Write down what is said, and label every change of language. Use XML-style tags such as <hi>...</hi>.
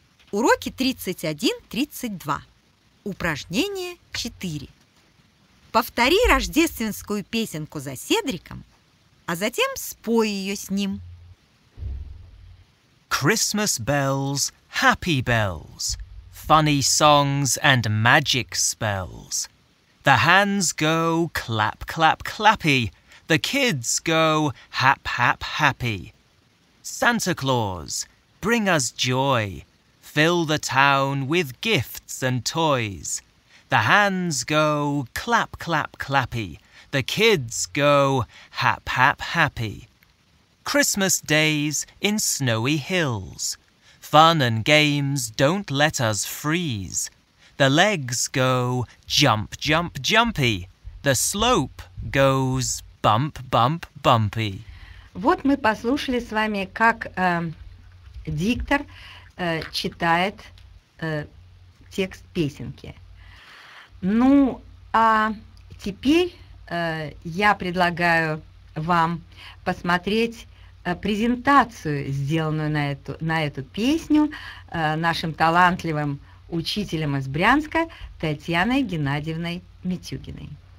<ru>Уроки 31-32. Упражнение 4. Повтори рождественскую песенку за Седриком, а затем спой ее с ним.</ru> <en>Christmas bells, happy bells, funny songs and magic spells. The hands go clap, clap, clappy. The kids go hap, hap, happy. Santa Claus, bring us joy. Fill the town with gifts and toys. The hands go clap, clap, clappy. The kids go hap, hap, happy. Christmas days in snowy hills. Fun and games don't let us freeze. The legs go jump, jump, jumpy. The slope goes bump, bump, bumpy.</en> <ru>Вот мы послушали с вами, как диктор читает текст песенки. Ну, а теперь я предлагаю вам посмотреть презентацию, сделанную на эту песню нашим талантливым учителем из Брянска Татьяной Геннадьевной Митюгиной.</ru>